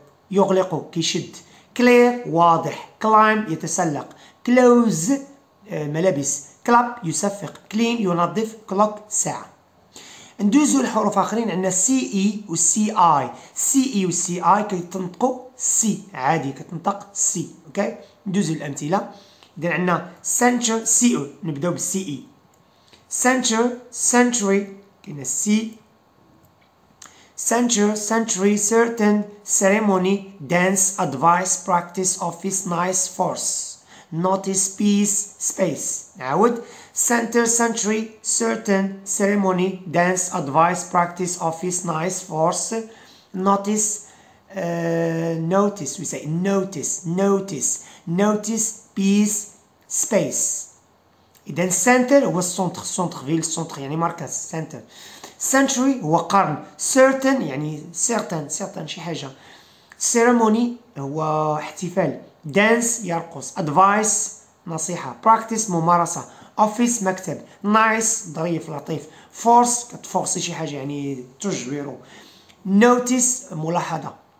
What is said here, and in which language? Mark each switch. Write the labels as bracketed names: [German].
[Arabic] يغلق كيشد كلير واضح كلايم يتسلق كلوز ملابس كلاب يصفق كلين ينظف كلوك ساعة ندوزو الحروف آخرين عندنا سي اي و سي اي سي اي و سي اي كتنطقو سي عادي كتنطق سي اوكي ندوزو الأمثلة إذا عندنا سنتر سي او نبداو بالسي اي سنتر سنتري كاين السي [English] Center, century, certain, ceremony, dance, advice, practice, office, nice, force, notice, peace, space. [Arabic] نعود. [English] Center, century, certain, ceremony, dance, advice, practice, office, nice, force, notice, notice. We say notice, notice, notice, peace, space. [Arabic] إذن center هو centre, [French] centre ville, [Arabic] centre يعني مركز center. Century هو قرن certain يعني certain certain شي حاجة ceremony هو احتفال dance يرقص advice نصيحة practice ممارسة office مكتب nice ظريف لطيف force كتفورس شي حاجة يعني تجبره notice ملاحظة